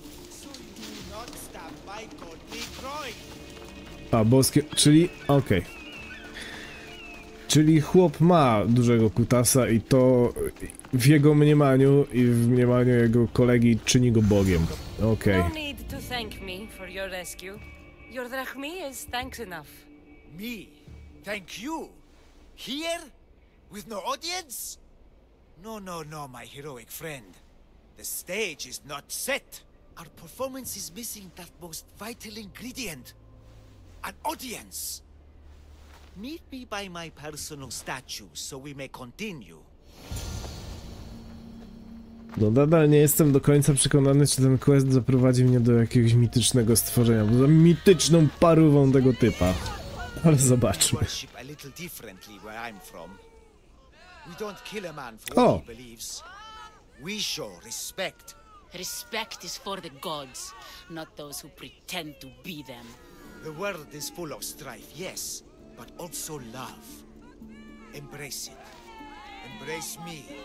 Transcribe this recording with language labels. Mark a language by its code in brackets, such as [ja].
[en] So do not stop my godly cry. [pl] A boskie, czyli okej. Okay. Czyli chłop ma dużego kutasa i to w jego mniemaniu i w mniemaniu jego kolegi czyni go bogiem. Okej. [en] No need to thank me for your rescue. Your drachmi is thanks enough. Me? Thank you? Here? With no audience? No, no, no, my heroic friend. The stage is not set. Our performance is missing that most vital ingredient. An audience. Meet me by my personal statue, so we may continue. [pl] No nadal nie jestem do końca przekonany, czy ten quest zaprowadzi mnie do jakiegoś mitycznego stworzenia. Bo za mityczną parówą tego typa. Ale zobaczmy. [en] A little differently where I'm from. We don't kill a man for what he believes. We show respect. Respect is for the gods, not those who pretend to be them. The world is full of strife, yes. But also love. Embrace it. Embrace me.